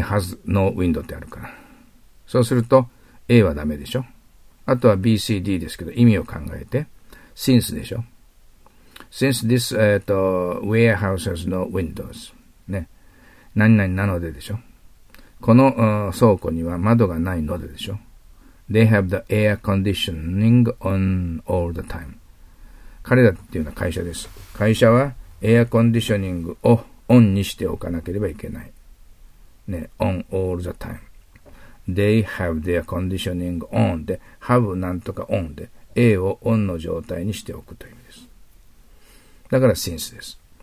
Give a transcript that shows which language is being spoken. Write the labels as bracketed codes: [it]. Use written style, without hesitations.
[en] has no window [ja] ってあるから。そうすると、A はダメでしょ。あとは B、C、D ですけど、意味を考えて、since でしょ。 [en] Since this, warehouse has no windows. [ja] ね。何々なのででしょ。この倉庫には窓がないのででしょ。 [en] They have the air conditioning on all the time. [ja] 彼らっていうのは会社です。会社はエアコンディショニングをオンにしておかなければいけない。ね。 [en] on all the time. They have their conditioning on [ja] で、have なんとか on で、A をオンの状態にしておくという。だから since です。